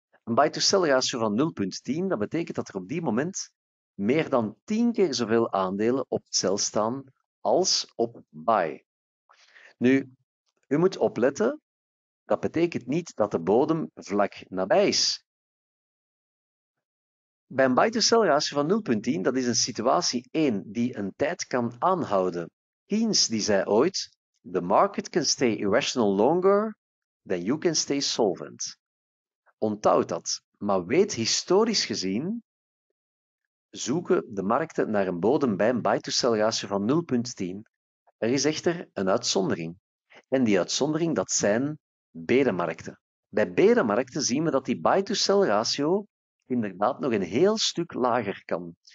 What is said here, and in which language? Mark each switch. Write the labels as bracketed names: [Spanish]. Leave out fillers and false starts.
[Dutch] Een buy-to-sell ratio van 0,10, dat betekent dat er op die moment meer dan 10 keer zoveel aandelen op sell staan als op buy. Nu, u moet opletten. Dat betekent niet dat de bodem vlak nabij is. Bij een buy-to-sell ratio van 0,10, dat is een situatie 1 die een tijd kan aanhouden. Keynes die zei ooit: [English] The market can stay irrational longer than you can stay solvent. [Dutch] Onthoud dat, maar weet historisch gezien: zoeken de markten naar een bodem bij een buy-to-sell ratio van 0,10. Er is echter een uitzondering. En die uitzondering, dat zijn berenmarkten. Bij berenmarkten zien we dat die buy-to-sell ratio inderdaad nog een heel stuk lager kan.